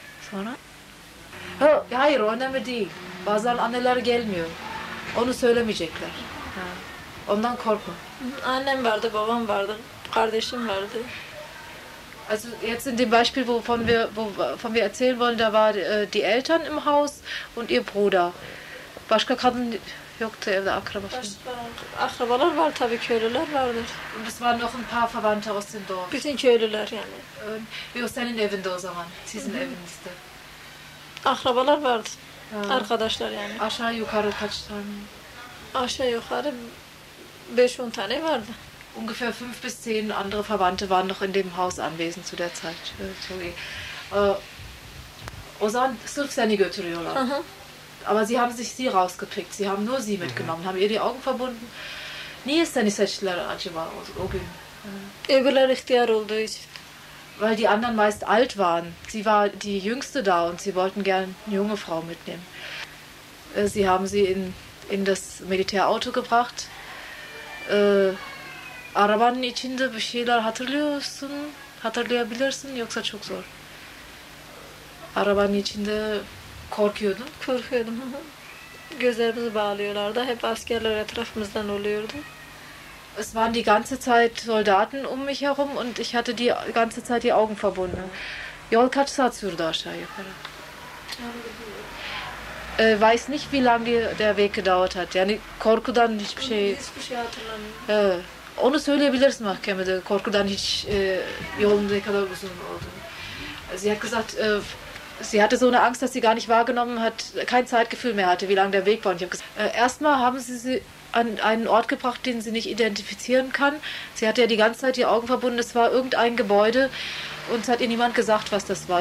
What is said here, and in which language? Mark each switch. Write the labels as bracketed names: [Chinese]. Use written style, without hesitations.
[Turkish] Sonra? Hayır, önemli değil. Bazen anneler gelmiyor. Onu söylemeyecekler. Ondan korkma. Annem vardı, babam vardı, kardeşim vardı. [German] Also jetzt in dem Beispiel, wovon wir erzählen wollen, da war die Eltern im Haus und ihr Bruder. [Turkish] Başka kadın yoktu evde, akraba falan. Akrabalar var tabii, köylüler vardır. [German] Und es waren noch ein paar Verwandte aus dem Dorf. [Turkish] Bütün köylüler yani. [German] Wie aus deinen [Turkish] evinde o zaman, sizin evinizde. Akrabalar vardı, arkadaşlar yani. Aşağı yukarı kaç tane? Aşağı yukarı 5-10 tane vardı. [German] Ungefähr 5-10 andere Verwandte waren noch in dem Haus anwesend zu der Zeit. Okay. [Turkish] O zaman sırf seni götürüyorlar. Hı hı. [German] Aber sie haben sich sie rausgepickt. Sie haben nur sie mitgenommen, haben ihr die Augen verbunden. Nie ist seine Sechler acaba o gün. [Turkish] Öbürler ihtiyar olduğu için. [German] Weil die anderen meist alt waren. Sie war die Jüngste da und sie wollten gern eine junge Frau mitnehmen. Sie haben sie in das Militärauto gebracht. [Turkish] Arabanın içinde bir şeyler hatırlıyorsun, hatırlayabilirsin yoksa çok zor. Arabanın içinde korkuyordun? Korkuyordum. Gözlerimizi bağlıyorlardı, hep askerler etrafımızdan oluyordu. [German] Es waren die ganze Zeit Soldaten um mich herum und ich hatte die ganze Zeit die Augen verbunden. [Turkish] Yol kaç saat sürdü aşağı yukarı? [German] Weiß nicht, wie lange der Weg gedauert hat. [Turkish] Yani korkudan hiçbir şey... Hiçbir şey hatırlamıyorum. Onu söyleyebilirsin mahkemede. Korkudan hiç yolunda ne kadar uzun oldu. [German] Sie hat gesagt, sie hatte so eine Angst, dass sie gar nicht wahrgenommen hat, kein Zeitgefühl mehr hatte, wie lang der Weg war. Und ich habe gesagt, erstmal haben sie an einen Ort gebracht, den sie nicht identifizieren kann. Sie hatte ja die ganze Zeit die Augen verbunden. Es war irgendein Gebäude und es hat ihr niemand gesagt, was das war.